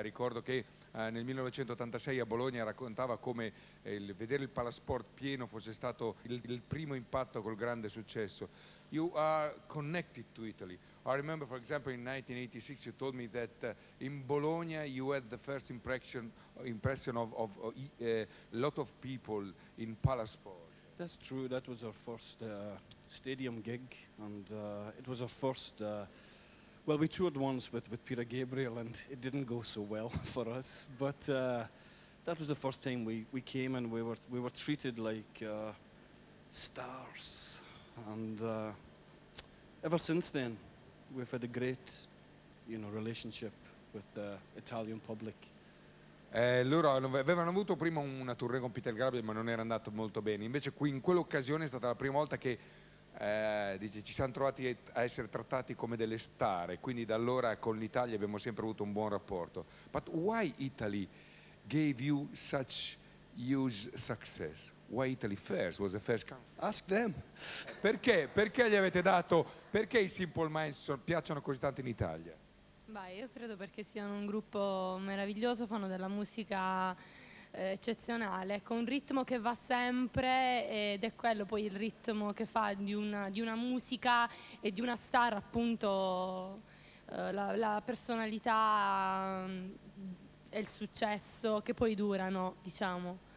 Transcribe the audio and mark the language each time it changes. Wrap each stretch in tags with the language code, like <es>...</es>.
<it>Ricordo che nel 1986 a Bologna raccontava come il vedere il Palasport pieno fosse stato il primo impatto col grande successo.</it> <en>You are connected to Italy. I remember, for example, in 1986 you told me that in Bologna you had the first impression of a lot of people in Palasport. That's true. That was our first stadium gig, and it was our first. Well, we toured once with Peter Gabriel, and it didn't go so well for us. But that was the first time we came, and we were treated like stars. And ever since then, we've had a great, you know, relationship with the Italian public.</en> <it>Loro avevano avuto prima una tournée con Peter Gabriel, ma non era andato molto bene. Invece qui, in quell'occasione, è stata la prima volta che dice, ci siamo trovati a essere trattati come delle star, e quindi da allora con l'Italia abbiamo sempre avuto un buon rapporto.</it> <en>But why Italy gave you such huge success? Why Italy first was the first country? Ask them.</en> <it>Perché? Perché gli avete dato? Perché i Simple Minds piacciono così tanto in Italia? Beh, io credo perché siano un gruppo meraviglioso, fanno della musica eccezionale, con un ritmo che va sempre, ed è quello poi il ritmo che fa di una musica e di una star, appunto, la personalità e il successo che poi durano, diciamo.</it>